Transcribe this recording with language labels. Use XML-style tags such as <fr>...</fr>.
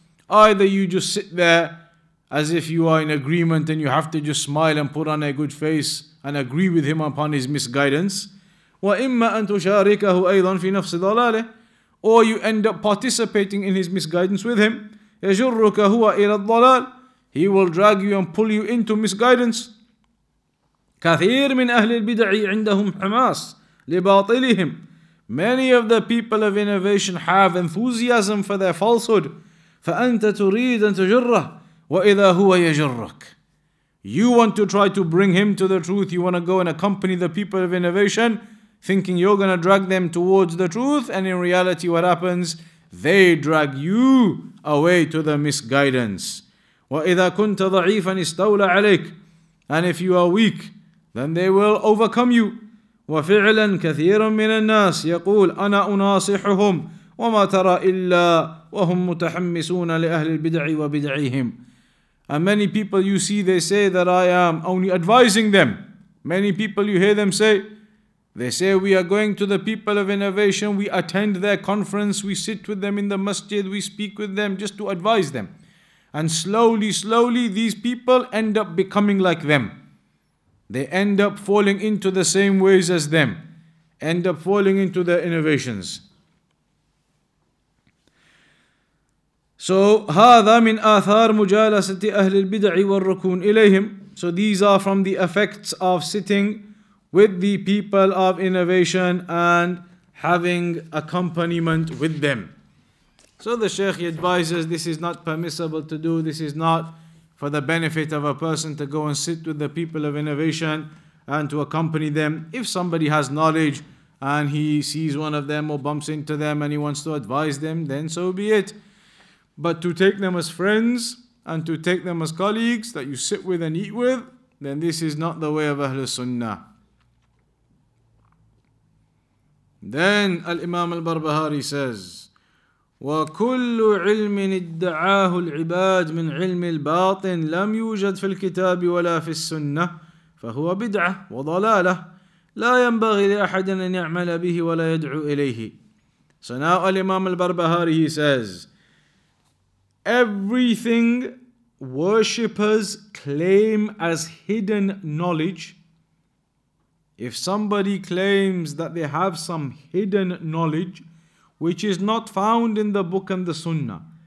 <en>Either you just sit there as if you are in agreement and you have to just smile and put on a good face and agree with him upon his misguidance.</en> <ar>وَإِمَّا أَن تُشَارِكَهُ أَيْضًا فِي نَفْسِ ضَلَالِهِ.</ar> <en>Or you end up participating in his misguidance with him.</en> <ar>يَجُرُّكَ هُوَ إِلَى الضَّلَالِ.</ar> <en>He will drag you and pull you into misguidance.</en> <ar>كثير من أهل البدع عندهم حماس لباطلهم.</ar> <en>Many of the people of innovation have enthusiasm for their falsehood.</en> <ar>فأنت تريد أن تجره وإذا هو يجرك.</ar> <en>You want to try to bring him to the truth. You want to go and accompany the people of innovation, thinking you're going to drag them towards the truth. And in reality, what happens? They drag you away to the misguidance.</en> <ar>وإذا كنت ضعيفا استولى عليك.</ar> <en>And if you are weak, then they will overcome you.</en> <ar>وفعلا كثيرا من الناس يقول أنا أناصحهم وما ترى إلا وهم متحمسون لأهل البدع وبدعهم.</ar> <en>And many people you see, they say that I am only advising them. Many people you hear them say, they say we are going to the people of innovation, we attend their conference, we sit with them in the masjid, we speak with them just to advise them. And slowly these people end up becoming like them. They end up falling into the same ways as them. End up falling into their innovations.</en> <ar>So, هذا من آثار مجالسة أهل البدع والركون إليهم.</ar> <en>So these are from the effects of sitting with the people of innovation and having accompaniment with them. So the Sheikh advises, this is not permissible to do, this is not for the benefit of a person to go and sit with the people of innovation and to accompany them. If somebody has knowledge and he sees one of them or bumps into them and he wants to advise them, then so be it. But to take them as friends and to take them as colleagues that you sit with and eat with, then this is not the way of Ahlul Sunnah. Then Al-Imam Al-Barbahari says,</en> <ar>وكل علم ادعاه العباد من علم الباطن لم يوجد في الكتاب ولا في السنة فهو بدعة وضلالة لا ينبغي لأحد أن يعمل به ولا يدعو إليه.</ar> <en>So now Imam al-Barbahari, he says, everything worshippers claim as hidden knowledge, if somebody claims that they have some hidden knowledge which is not found in the book and the sunnah.</en>